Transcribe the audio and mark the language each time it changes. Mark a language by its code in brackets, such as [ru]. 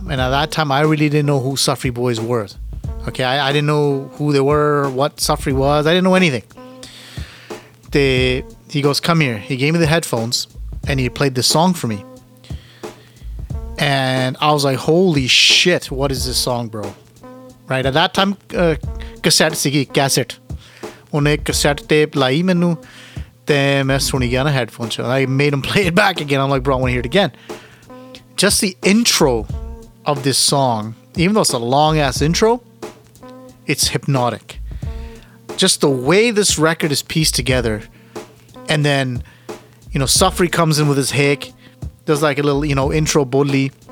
[en] And at that time, I really didn't know who Safri Boys were. Okay, I didn't know who they were, what Safri was. I didn't know anything. He goes, come here. He gave me the headphones, and he played this song for me. And I was like, holy shit, what is this song, bro? Right at that time, cassette. [pa] ਉਨ੍ਹੇ cassette tape ਲਿਆਈ ਮੈਨੂੰ, ਤੇ ਮੈਂ ਸੁਣੀ ਗਿਆ ਨਾ headphone ਚੱਲ. [en] I made him play it back again. I'm like, bro, I want to hear it again. Just the intro of this song, even though it's a long ass intro, it's hypnotic. Just the way this record is pieced together, and then, you know, Safri comes in with his hick, does like a little, you know, intro bully.